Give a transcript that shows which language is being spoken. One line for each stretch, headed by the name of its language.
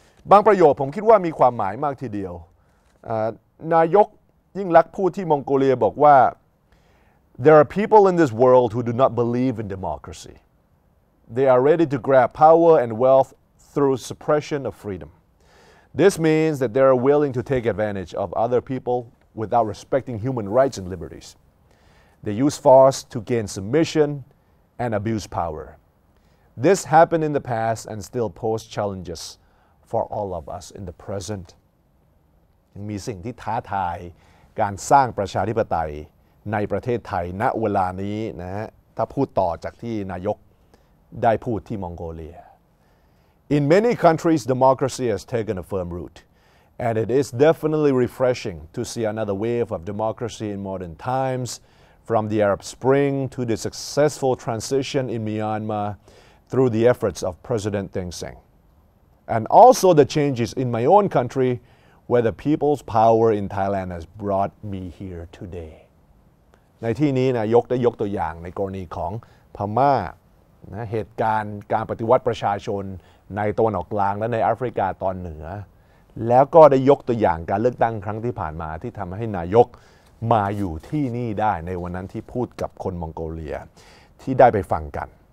Thai: บางประโยคผมคิดว่ามีความหมายมากทีเดียวนายกยิ่งลักษณ์พูดที่มองโกเลียบอกว่า
English: there are people in this world who do not believe in democracy they are ready to grab power and wealth through suppression of freedom this means that they are willing to take advantage of other people without respecting human rights and libertiesThey use force to gain submission and abuse power. This happened in the past and still pose challenges for all of us in the present.
Thai: มีสิ่งที่ท้าทายการสร้างประชาธิปไตยในประเทศไทยณเวลานี้นะฮะถ้าพูดต่อจากที่นายกได้พูดที่มองโกเลีย
English: In many countries, democracy has taken a firm root, and it is definitely refreshing to see another wave of democracy in modern times. From the Arab Spring to the successful transition in Myanmar through the efforts of President Thein Sein. And also the changes in my own country where the people's power in Thailand has brought me here today.
Thai: ในที่นี้นายกได้ยกตัวอย่างในกรณีของพม่านะเหตุการณ์การปฏิวัติประชาชนในตะวันออกกลางและในแอฟริกาตอนเหนือแล้วก็ได้ยกตัวอย่างการเลือกตั้งครั้งที่ผ่านมาที่ทำให้นายกมาอยู่ที่นี่ได้ในวันนั้นที่พูดกับคนมองโกเลียที่ได้ไปฟังกัน